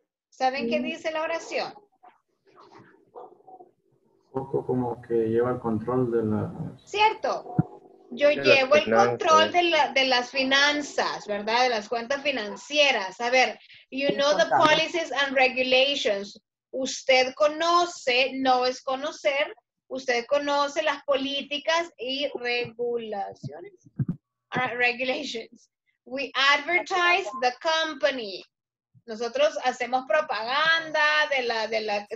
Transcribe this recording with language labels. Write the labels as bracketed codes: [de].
[es] ¿Saben qué dice la oración? Un poco como que lleva el control de la... Cierto. Yo llevo el control de las finanzas, ¿verdad? De las cuentas financieras. A ver, [en] you know the policies and regulations. [es] Usted conoce, no es conocer, usted conoce las políticas y regulaciones. [en] Regulations. We advertise the company. [es] Nosotros hacemos propaganda de la empresa,